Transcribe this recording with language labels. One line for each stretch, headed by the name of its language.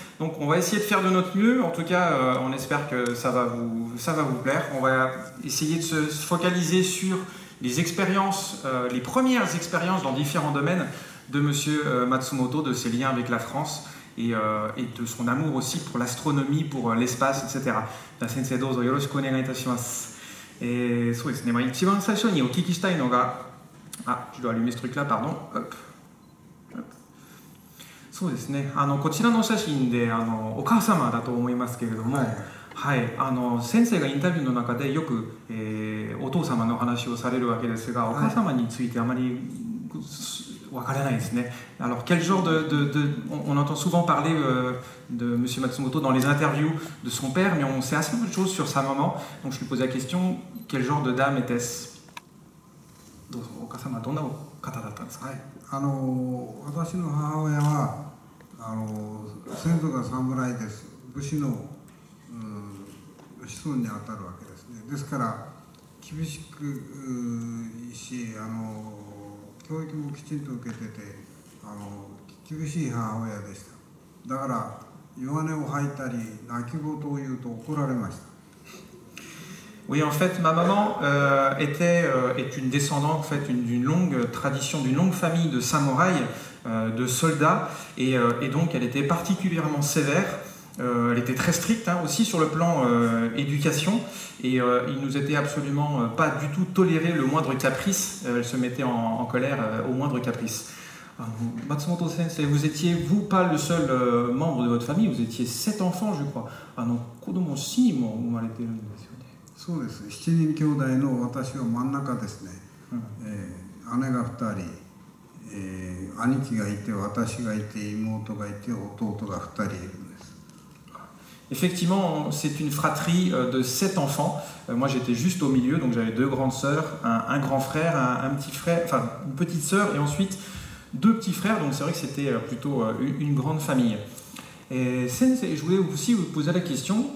French: Donc on va essayer de faire de notre mieux. En tout cas, on espère que ça va vous plaire. On va essayer de se focaliser sur les expériences, les premières expériences dans différents domaines de Monsieur Matsumoto, de ses liens avec la France et de son amour aussi pour l'astronomie, pour l'espace, etc.
Japanese: La sensei dozo, yo roshiku onegai itashimasu. Et そうですね、まあ一番最初にお聞きしたいのが、あ、
French: je dois allumer ce truc là, pardon. Hop.
Japanese: そうですね、あのこちらの写真で、あのお母様だと思いますけれども、はい、はい、あの先生がインタビューの中でよく、お父様の話をされるわけですが、お母様についてあまり分からないですね。
French: Alors, quel genre de on entend souvent parler de M. Matsumoto dans les interviews de son père, mais on sait assez peu de choses sur sa maman. Donc, je lui posais la question, quel genre de dame était-ce ?
Japanese: どうぞ、お母様はどんなお方だったんですか ? はい。あの、私の母親は、あの、先祖が侍です。武士の、子孫にあたるわけですね。ですから、厳しくし、あの、教育もきちんと受けてて、あの厳しい母親でした。だから弱音を吐いたり泣き言を言うと怒られました。
French: Oui, en fait, ma maman est une descendante, en fait, d'une longue tradition, d'une longue famille de samouraï, de soldats, et donc elle était particulièrement sévère. Elle était très stricte, hein, aussi sur le plan éducation, et il nous était absolument pas du tout toléré le moindre caprice. Elle se mettait en colère au moindre caprice. Matsumoto sensei, vous étiez vous pas le seul membre de votre famille, vous étiez 7 enfants, je crois. Ah non,
Japanese: 子供7人も生まれてるんですよね。そうです。 7人兄弟の私は真ん中ですね。姉が2人、兄貴がいて、私がいて、妹がいて、弟が2人いる。
French: Effectivement, c'est une fratrie de 7 enfants. Moi, j'étais juste au milieu, donc j'avais 2 grandes sœurs, un grand frère, un petit frère, enfin une petite sœur, et ensuite 2 petits frères. Donc c'est vrai que c'était plutôt une grande famille. Et sensei, je voulais aussi vous poser la question.